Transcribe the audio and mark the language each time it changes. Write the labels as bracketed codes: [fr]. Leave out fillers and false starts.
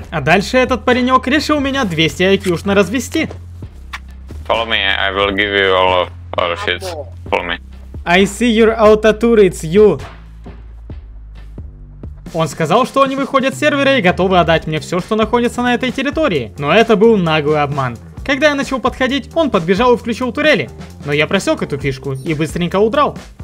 [ru] А дальше этот паренек решил меня 200 IQ-шно развести. [en] Follow me, I will give you all of our shit. Follow me. I see your auto turret, it's you. [ru] Он сказал, что они выходят с сервера и готовы отдать мне все, что находится на этой территории. Но это был наглый обман. Когда я начал подходить, он подбежал и включил турели. Но я просек эту фишку и быстренько удрал.